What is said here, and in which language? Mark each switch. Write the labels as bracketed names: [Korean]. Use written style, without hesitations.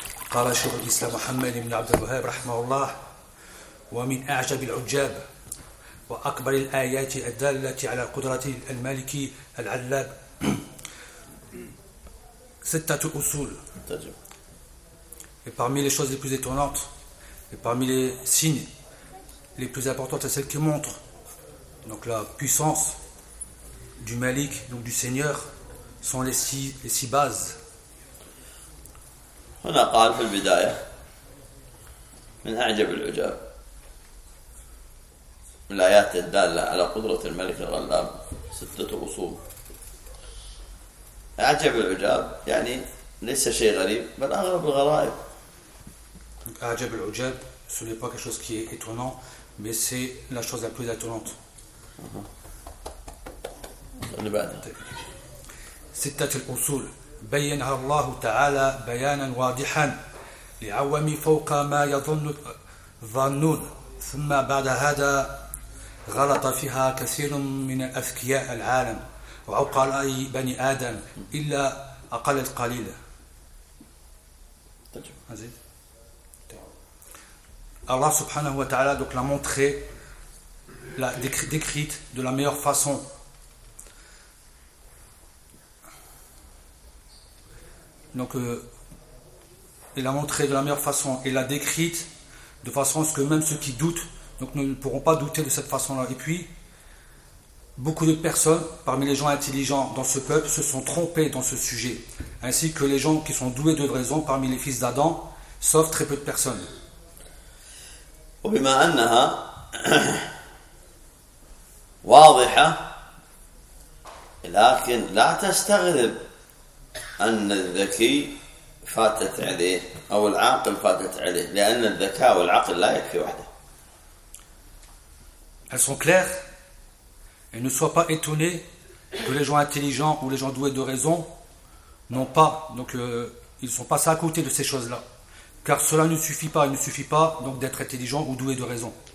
[Arabic] قال شيخ الإسلام محمد بن عبد الوهاب رحمه الله: ومن أعجب العجاب وأكبر الآيات الدالة على قدرة الملك العلاب ستة أصول. [French] Et parmi les choses les plus étonnantes et parmi les signes les plus importants, c'est celle qui montre donc la puissance du Malik, donc du Seigneur, sont les six bases. [Arabic] هنا قال في البداية من أعجب العجاب الآيات الدالة على قدرة الملك الغلاب ستة أصول. أعجب العجاب يعني ليس شيء غريب، بل أغرب الغرائب. أعجب العجاب، [French] ce n'est pas quelque chose qui est étonnant, mais c'est la chose la plus étonnante. [Arabic] اللي بعده. ستة الأصول بينها الله تعالى بيانا واضحا لعوام فوق ما يظنون، ثم بعد هذا غلط فيها كثير من أذكياء العالم. وعقل أي بني آدم إلا أقل القليل. الله سبحانه وتعالى [French] donc l'a montré, l'a décrite de la meilleure façon. Donc il a montré de la meilleure façon et l'a décrite de façon à ce que même ceux qui doutent donc ne pourront pas douter de cette façon-là. Et puis beaucoup de personnes parmi les gens intelligents dans ce peuple se sont trompés dans ce sujet, ainsi que les gens qui sont doués de raison parmi les fils d'Adam, sauf très peu de personnes. [Arabic] وبما أنها واضحة لكن لا تستغرب أن الذكي فاتت عليه أو العاقل فاتت عليه، لأن الذكاء والعقل لا يكفي وحده. [French] Elles sont claires. Et ne sois pas étonné que les gens intelligents ou les gens doués de raison n'ont pas, donc ils sont passés à côté de ces choses-là. Car cela ne suffit pas, il ne suffit pas donc d'être intelligent ou doué de raison.